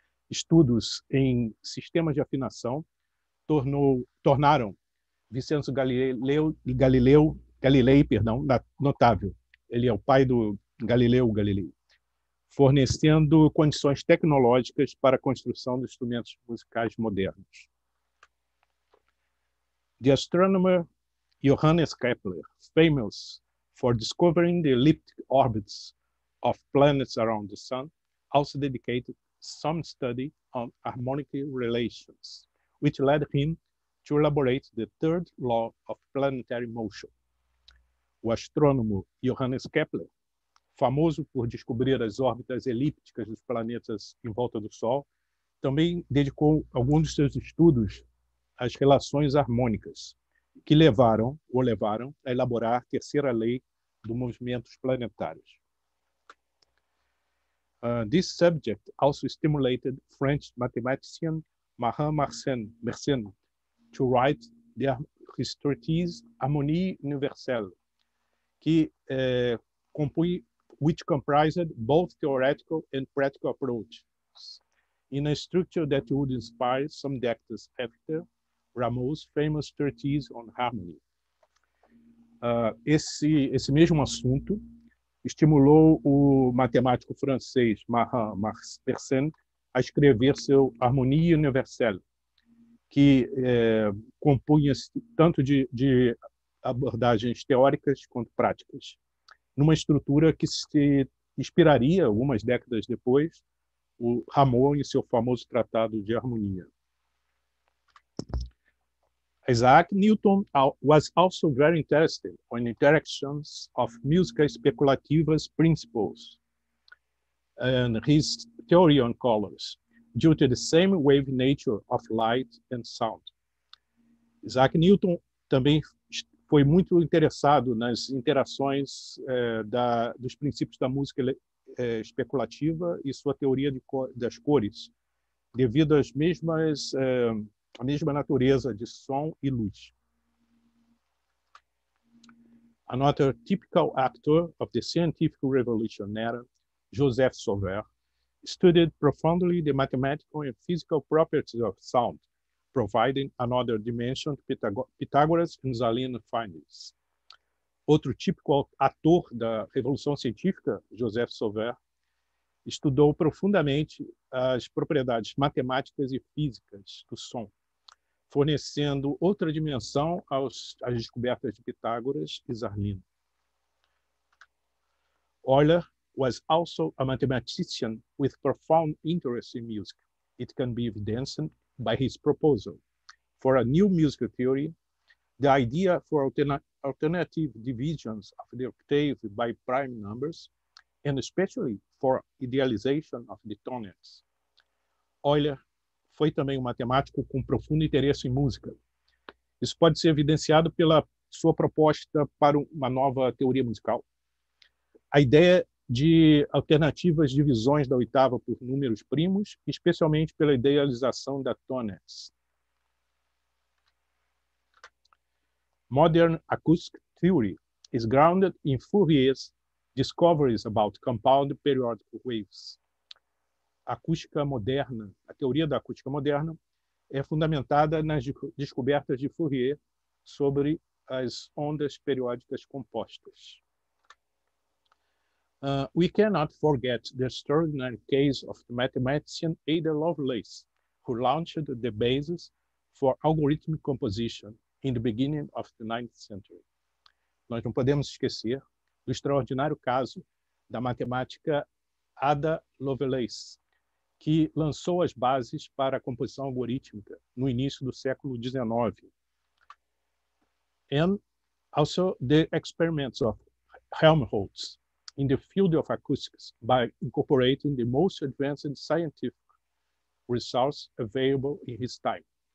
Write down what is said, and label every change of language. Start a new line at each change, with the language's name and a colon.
Portuguese: Estudos em sistemas de afinação tornaram Vincenzo Galilei, notável. Ele é o pai do Galileu Galilei, fornecendo condições tecnológicas para a construção de instrumentos musicais modernos.
English: The astronomer Johannes Kepler, famous for discovering the elliptic orbits of planets around the sun, also dedicated some study on harmonic relations, which led him to elaborate the third law of planetary motion.
Portuguese: O astrônomo Johannes Kepler, famoso por descobrir as órbitas elípticas dos planetas em volta do Sol, também dedicou alguns dos seus estudos às relações harmônicas, que levaram a elaborar a terceira lei dos movimentos planetários.
English: This subject also stimulated French mathematician Marin Mersenne to write his treatise Harmonie Universelle, which comprised both theoretical and practical approaches. in a structure that would inspire some decades after Rameau's famous treatise on harmony.
Portuguese: Esse mesmo assunto estimulou o matemático francês Marc Persen a escrever seu Harmonie Universelle, que compunha-se tanto de abordagens teóricas quanto práticas, numa estrutura que se inspiraria, algumas décadas depois, o Rameau em seu famoso Tratado de Harmonia.
English: Isaac Newton was also very interested in interactions of musical speculativas principles and his theory on colors due to the same wave nature of light and sound.
Portuguese: Isaac Newton também foi muito interessado nas interações dos princípios da música especulativa e sua teoria das cores, devido às mesmas a mesma natureza de som e luz.
English: Another typical actor of the scientific revolution era, Joseph Sauveur, studied profoundly the mathematical and physical properties of sound, providing another dimension to Pythagoras and Zaleno's findings.
Portuguese: Outro típico ator da revolução científica, Joseph Sauveur, estudou profundamente as propriedades matemáticas e físicas do som, fornecendo outra dimensão às descobertas de Pitágoras e Zarlino.
English: Euler was also a mathematician with profound interest in music. It can be evidenced by his proposal for a new musical theory, the idea for alternative divisions of the octave by prime numbers, and especially for idealization of the tonets.
Portuguese: Euler foi também um matemático com profundo interesse em música. Isso pode ser evidenciado pela sua proposta para uma nova teoria musical. A ideia de alternativas divisões da oitava por números primos, especialmente pela idealização da tonets.
English: Modern acoustic theory is grounded in Fourier's discoveries about compound periodic waves.
Portuguese: Acústica moderna, a teoria da acústica moderna, é fundamentada nas descobertas de Fourier sobre as ondas periódicas compostas.
English: We cannot forget the extraordinary case of the mathematician Ada Lovelace, who launched the basis for algorithmic composition in the beginning of the 19th century.
Portuguese: Nós não podemos esquecer do extraordinário caso da matemática Ada Lovelace, que lançou as bases para a composição algorítmica no início do século XIX.
English: And also the experiments of Helmholtz in the field of acoustics by incorporating the most advanced scientific results available in his time.